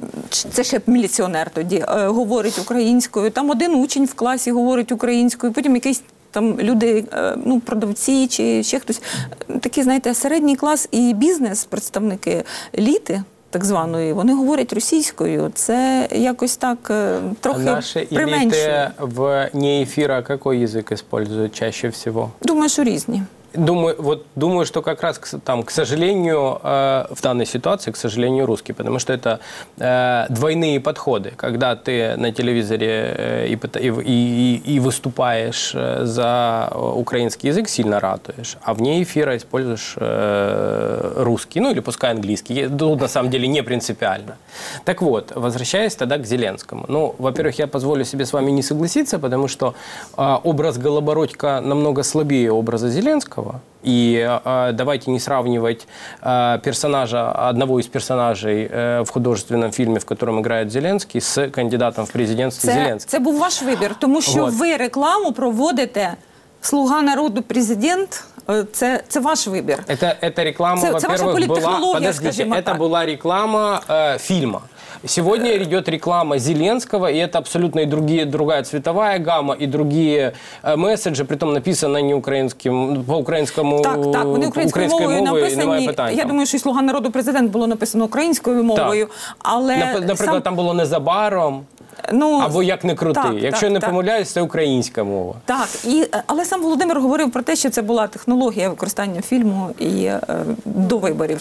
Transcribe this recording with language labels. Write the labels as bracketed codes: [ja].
[uk] це ще міліціонер тоді, говорить українською, там один учень в класі говорить українською, потім якийсь там люди, ну, продавці чи ще хтось, такі, знаєте, середній клас і бізнес, представники еліти так званої, вони говорять російською. Це якось так трохи применшує. Наші еліти в не ефіра який язик використовують [ru] чаще всього? [uk] Думаю, що різні. [ru] Думаю, что как раз там, к сожалению, в данной ситуации, к сожалению, русский, потому что это двойные подходы, когда ты на телевизоре и выступаешь за украинский язык, сильно ратуешь, а вне эфира используешь русский, ну или пускай английский, тут на самом деле не принципиально. Так вот, возвращаясь тогда к Зеленскому. Ну, во-первых, я позволю себе с вами не согласиться, потому что образ Голобородька намного слабее образа Зеленского. И давайте не сравнивать персонажа, одного из персонажей в художественном фильме, в котором играет Зеленский, с кандидатом в президентство Зеленского. [uk] Це був ваш вибір, тому що [ru] вот. [uk] Ви рекламу проводите «Слуга народу, президент». Це ваш вибір. Це реклама, [ru] во-первых, [uk] була, [ru] подождите, это [uk] була реклама фільму. [ru] Сегодня идет реклама Зеленского, и это абсолютно и другая цветовая гамма, и другие месседжи, притом написано не украинским, по-украинскому, украинской [uk] мовою, написані, немає питань. Я думаю, що «Слуга народу, президент» було написано українською мовою, так. Але... Наприклад, сам... там було незабаром. Ну, або як не крути. Так, якщо так, не помиляюсь, це українська мова. Так, і, але сам Володимир говорив про те, що це була технологія використання фільму і до виборів.